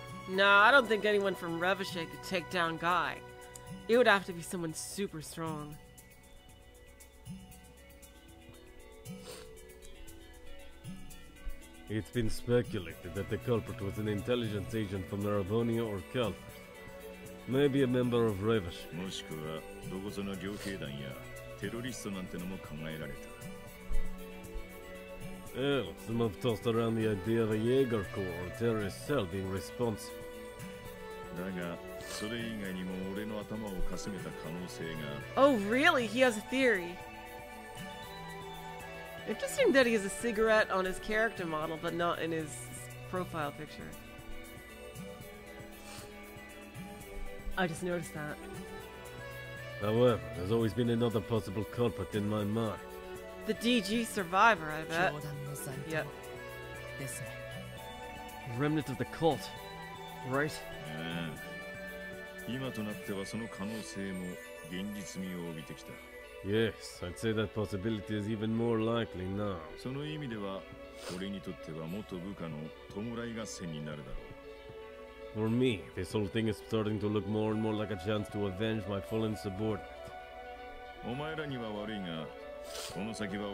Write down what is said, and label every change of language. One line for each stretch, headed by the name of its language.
English: No, I don't think anyone from Revache could take down Guy. It would have to be someone super strong. It's been speculated that the culprit was an intelligence agent from Ravonia or Calvert. Maybe a member of Revache.
Japanese: もしくは、どこぞの両兵団やテロリストなんてのも考えられた。
English: Well, some have tossed around the idea of a Jaeger Corps or a terrorist cell being responsible.
Japanese: だが、それ以外にも俺の頭をかすめた可能性が。
English: Oh, really? He has a theory. Interesting that he has a cigarette on his character model, but not in his profile picture. I just noticed that. However, there's always been another possible culprit in my mind. The DG survivor, I bet. Yep. Remnant of the cult, right?
Japanese: 今となってはその可能性も現実味を帯びてきた。
English: Yes, I'd say that possibility is even more likely now.
Japanese: その意味では、俺にとっては元部下の弔い合戦になるだろう。
English: For me, this whole thing is starting to look more and more like a chance to avenge my fallen subordinate.
Japanese: お前らには悪いが、この先は